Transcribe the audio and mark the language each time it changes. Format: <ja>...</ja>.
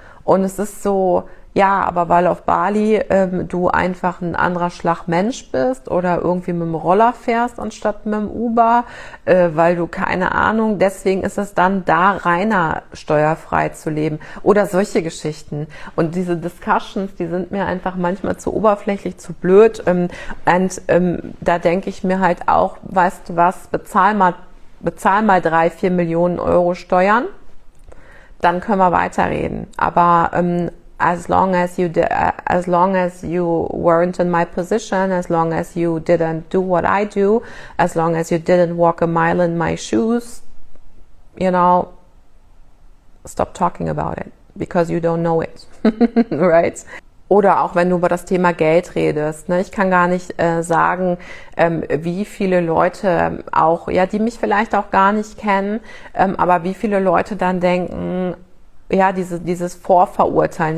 <de>Und es ist so, ja, aber weil auf Bali du einfach ein anderer Schlag Mensch bist oder irgendwie mit dem Roller fährst anstatt mit dem Uber, weil du keine Ahnung, deswegen ist es dann da reiner steuerfrei zu leben oder solche Geschichten. Und diese Discussions, die sind mir einfach manchmal zu oberflächlich, zu blöd. Da denke ich mir halt auch, weißt du was, bezahl mal 3-4 Millionen Euro Steuern. Dann können wir weiterreden.</de> <en>Aber as long as you weren't in my position, as long as you didn't do what I do, as long as you didn't walk a mile in my shoes, you know, stop talking about it, because you don't know it, right?</en> <de>Oder auch wenn du über das Thema Geld redest, ne? Ich kann gar nicht sagen, wie viele Leute auch, ja, die mich vielleicht auch gar nicht kennen, aber wie viele Leute dann denken, ja, dieses Vorverurteilen.</de>